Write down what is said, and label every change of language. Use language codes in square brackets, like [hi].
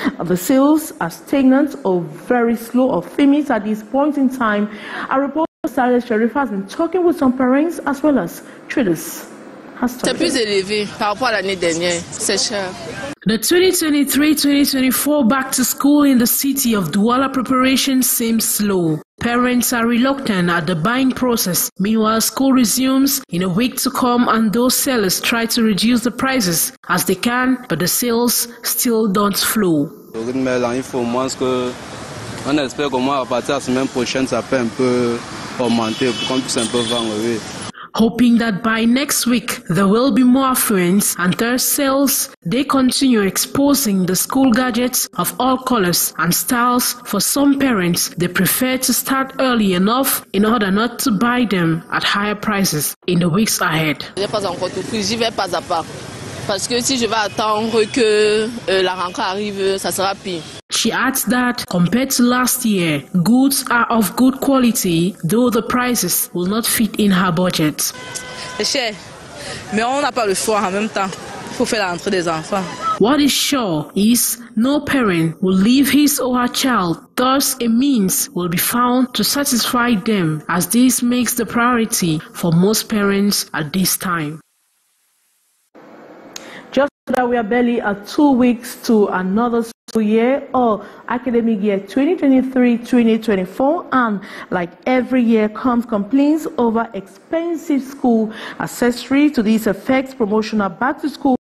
[en] The sales are stagnant or very slow or famous at this point in time. A report Salah Sharif has been talking with some parents as well as traders. [fr] C'est plus élevé par rapport à l'année dernière. C'est cher. [en] The 2023-2024 back to school in the city of Douala preparation seems slow. Parents are reluctant at the buying process. Meanwhile, school resumes in a week to come and those sellers try to reduce the prices as they can, but the sales still don't flow. [fr] On espère qu'au moins à partir de la semaine prochaine, ça peut un peu augmenter pour qu'on puisse un peu vendre, oui. [en] Hoping that by next week, there will be more affluence and their sales, they continue exposing the school gadgets of all colors and styles. For some parents, they prefer to start early enough in order not to buy them at higher prices in the weeks ahead. [fr] J'ai pas encore tout pris, j'y vais pas à pas. Parce que si je vais attendre que la rentrée arrive, ça sera pire. [en] She adds that, compared to last year, goods are of good quality, though the prices will not fit in her budget. [fr] C'est cher, mais on n'a pas le choix en même temps. Il faut faire l'entrée des enfants. [en] What is sure is no parent will leave his or her child, thus a means will be found to satisfy them, as this makes the priority for most parents at this time. Just that we are barely at 2 weeks to another year or academic year 2023-2024, and like every year comes complaints over expensive school accessory. To this effect, promotional back to school